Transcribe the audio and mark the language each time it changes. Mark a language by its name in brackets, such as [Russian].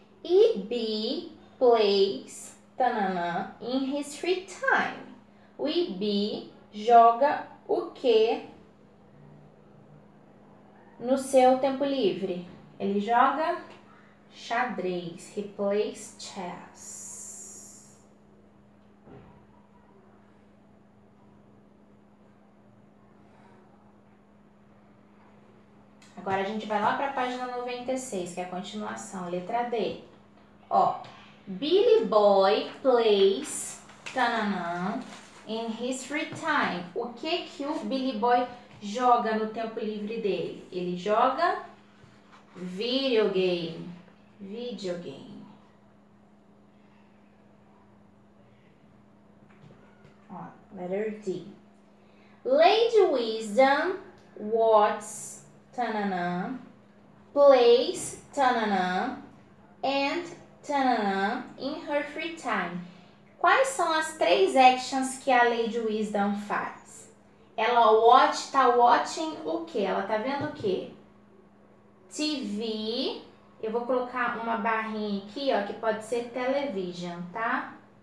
[English] E B plays tananã in his free time. [Portuguese] O B joga o quê no seu tempo livre? Ele joga xadrez. [English] He plays chess. [Portuguese] Agora a gente vai lá para a página 96, que é a continuação, letra D. [English] Ó, Billy Boy plays tananã in his free time. [Portuguese] O que que o Billy Boy joga no tempo livre dele? Ele joga videogame. Videogame. Ó, letter D. [English] Lady Wisdom watches tananã, plays tananã, and tananã in her free time. [Portuguese] Quais são as três actions que a Lady Wisdom faz? Ela watch, tá watching o quê? Ela tá vendo o quê? TV. Eu vou colocar uma barrinha aqui, ó, que pode ser television, tá?